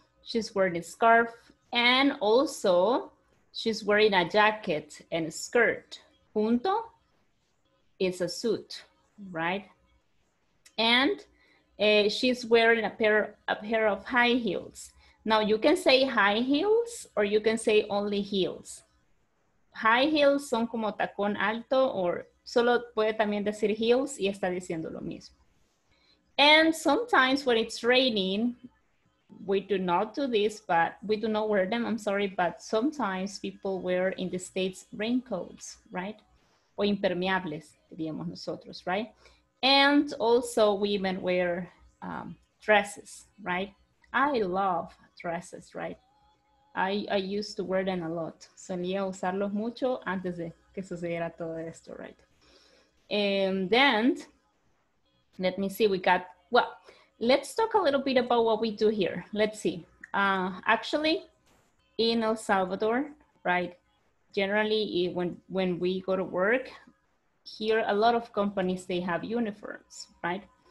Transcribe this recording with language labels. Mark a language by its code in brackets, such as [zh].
[en] She's wearing a scarf, and also she's wearing a jacket and a skirt. [es] Junto [en] is a suit, right? And she's wearing a pair of high heels. Now, you can say high heels, or you can say only heels. [es] High heels son como tacón alto, or solo puede también decir heels, y está diciendo lo mismo. [en] And sometimes when it's raining, we do not do this, but we do not wear them, I'm sorry, but sometimes people wear in the States raincoats, right? [es] O impermeables, diríamos nosotros, [en] right? And also women wear dresses, right? I love dresses, right? I used to wear them a lot. [es] Solía usarlos mucho antes de que sucediera todo esto, right? [en] And then, let me see, we got, well, let's talk a little bit about what we do here. Let's see. Actually, in El Salvador, right, generally when we go to work, here a lot of companies, they have uniforms, right?